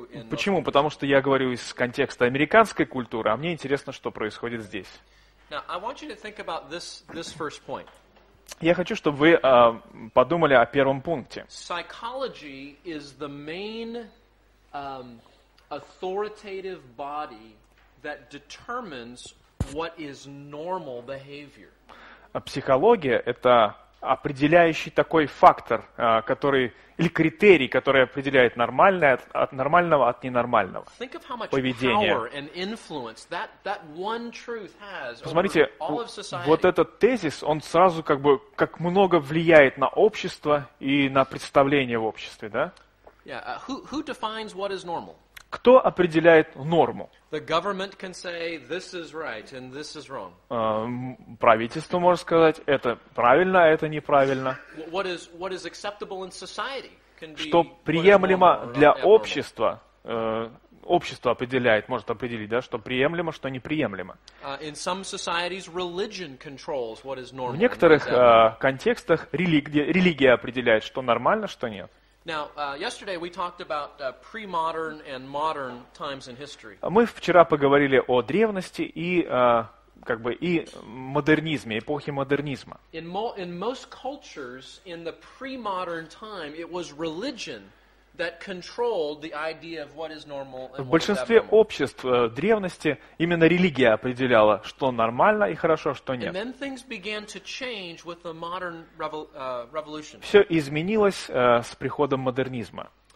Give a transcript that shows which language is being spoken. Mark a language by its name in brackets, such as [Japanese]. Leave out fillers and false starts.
[Russian] Почему? Потому что я говорю из контекста американской культуры, а мне интересно, что происходит здесь. [English] Now, I want you to think about this first point. [Russian] Я хочу, чтобы вы подумали о первом пункте. [English] Psychology is the main authoritative body that determines what is normal behavior. [Russian] Психология — это определяющий такой фактор, который или критерий, который определяет нормальное от нормального от ненормального поведения. Посмотрите, вот этот тезис, он сразу как бы как много влияет на общество и на представление в обществе, да? [English] Who defines what is normal? [Russian] Кто определяет норму? [English] The government can say this is right and this is wrong. [Russian] Правительство может сказать, это правильно, а это неправильно. [English] What is acceptable in society can be. [Russian] Что приемлемо для общества? Общество определяет, может определить, да, что приемлемо, что неприемлемо. [English] In some societies, religion controls what is normal. [Russian] В некоторых контекстах религия определяет, что нормально, что нет. [English] Now, yesterday we talked about pre-modern and modern times in history. [Russian] Мы вчера поговорили о древности и как бы и модернизме, эпохе модернизма. [English] In most cultures in the pre-modern time, it was religion that controlled the idea of what is normal. [Russian] В большинстве обществ древности именно религия определяла, что нормально и хорошо, что нет. [English] And then things began to change with the modern revolution. [Russian] Все изменилось с приходом модернизма.